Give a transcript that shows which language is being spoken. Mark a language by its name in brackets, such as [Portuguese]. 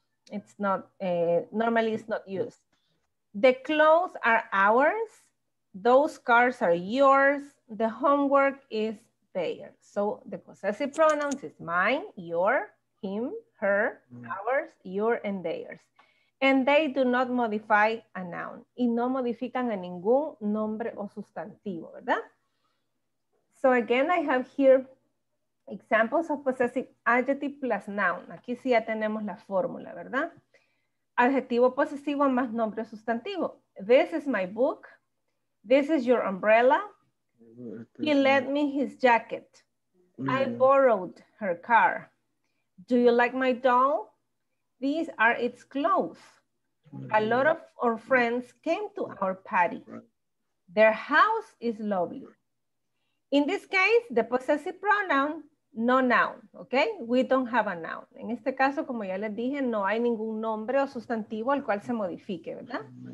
[English] It's not, normally it's not used. The clothes are ours. Those cars are yours. The homework is theirs. So the possessive pronouns is mine, your, him, her, ours, your, and theirs. And they do not modify a noun. [Spanish] Y no modifican a ningún nombre o sustantivo, ¿verdad? [English] So again, I have here examples of possessive adjective plus noun. [Spanish] Aquí sí ya tenemos la fórmula, ¿verdad? Adjetivo posesivo más nombre sustantivo. [English] This is my book. This is your umbrella. He lent me his jacket. I borrowed her car. Do you like my doll? These are its clothes. A lot of our friends came to our party. Their house is lovely. In this case, the possessive pronoun, no noun, okay? We don't have a noun. [Spanish] En este caso, como ya les dije, no hay ningún nombre o sustantivo al cual se modifique, ¿verdad?